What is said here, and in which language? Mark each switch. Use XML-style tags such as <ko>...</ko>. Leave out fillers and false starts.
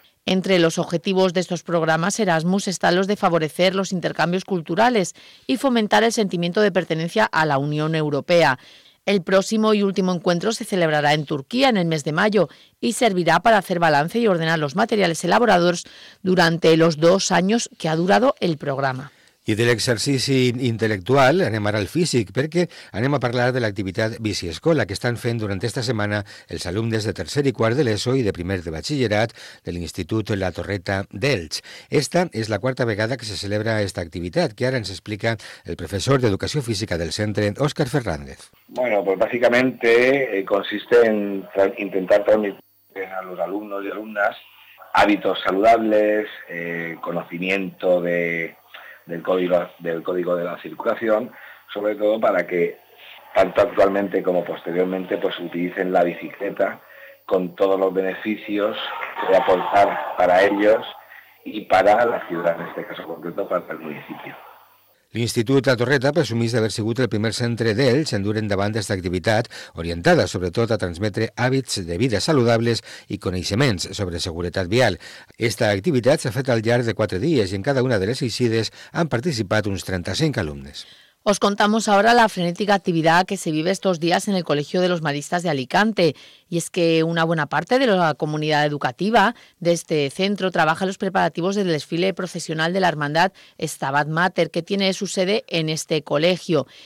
<es>Entre los objetivos de estos programas Erasmus están los de favorecer los intercambios culturales y fomentar el sentimiento de pertenencia a la Unión Europea. El próximo y último encuentro se celebrará en Turquía en el mes de mayo y servirá para hacer balance y ordenar los materiales elaborados durante los 2 años que ha durado el programa.</es> <ca>I de l'exercici intel·lectual anem ara al físic, perquè anem a parlar de l'activitat biciescola que estan fent durant aquesta setmana els alumnes de tercer i quart de l'ESO i de primer de batxillerat de l'Institut La Torreta d'Elx. Esta és la quarta vegada que se celebra aquesta activitat, que ara ens explica el professor d'Educació Física del centre, Òscar Fernández.</ca> <es>Bueno, pues básicamente consiste en intentar transmitir a los alumnos y alumnas hábitos saludables, conocimiento de... del código de la circulación, sobre todo para que tanto actualmente como posteriormente pues utilicen la bicicleta con todos los beneficios que aportar para ellos y para la ciudad, en este caso concreto para el municipio.</es> <ca>L'Institut La Torreta presumís d'haver sigut el primer centre d'ells en dur endavant aquesta activitat, orientada sobretot a transmetre hàbits de vida saludables i coneixements sobre seguretat vial. Esta activitat s'ha fet al llarg de 4 dies i en cada una de les eixides han participat uns 35 alumnes.</ca> <es>Os contamos ahora la frenética actividad que se vive estos días en el Colegio de los Maristas de Alicante. Y es que una buena parte de la comunidad educativa de este centro trabaja en los preparativos del desfile procesional de la hermandad Stabat Mater, que tiene su sede en este colegio.</es>